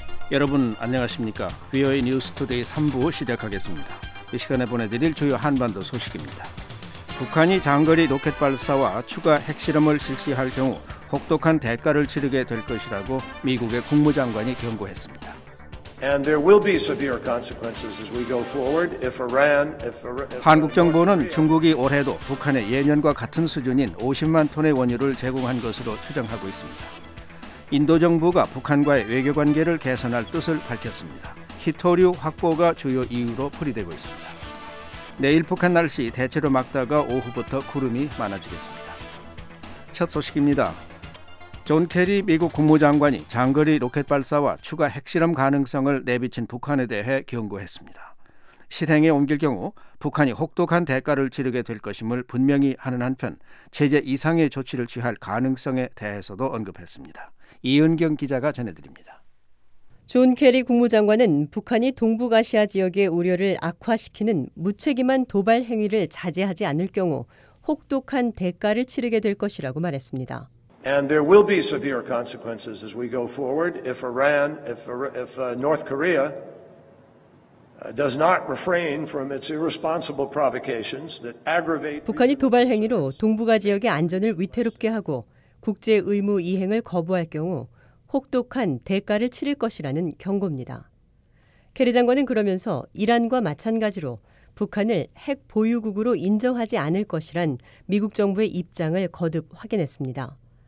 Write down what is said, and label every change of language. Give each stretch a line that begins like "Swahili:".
Korean: 여러분 안녕하십니까? VOA News Today 3부 시작하겠습니다. 이 시간에 보내드릴 주요 한반도 소식입니다. 북한이 장거리 로켓 발사와 추가 핵실험을 실시할 경우 혹독한 대가를 치르게 될 것이라고 미국의 국무장관이 경고했습니다.
English: And there will be severe consequences as we go forward if Iran.
Korean: 한국 정부는 중국이 올해도 북한의 예년과 같은 수준인 50만 톤의 원유를 제공한 것으로 추정하고 있습니다. 인도 정부가 북한과의 외교 관계를 개선할 뜻을 밝혔습니다. 히토류 확보가 주요 이유로 풀이되고 있습니다. 내일 북한 날씨 대체로 맑다가 오후부터 구름이 많아지겠습니다. 첫 소식입니다. 존 케리 미국 국무장관이 장거리 로켓 발사와 추가 핵실험 가능성을 내비친 북한에 대해 경고했습니다. 실행에 옮길 경우 북한이 혹독한 대가를 치르게 될 것임을 분명히 하는 한편 제재 이상의 조치를 취할 가능성에 대해서도 언급했습니다. 이은경 기자가 전해드립니다. 존 케리 국무장관은 북한이 동북아시아 지역의 우려를 악화시키는 무책임한 도발 행위를 자제하지 않을 경우 혹독한 대가를 치르게 될 것이라고 말했습니다.
English: And there will be severe consequences as we go forward if Iran, if North Korea does not refrain from its irresponsible provocations that aggravate.
Korean: 북한이 도발 행위로 동북아 지역의 안전을 위태롭게 하고 국제 의무 이행을 거부할 경우 혹독한 대가를 치를 것이라는 경고입니다. 케리 장관은 그러면서 이란과 마찬가지로 북한을 핵 보유국으로 인정하지 않을 것이란 미국 정부의 입장을 거듭 확인했습니다.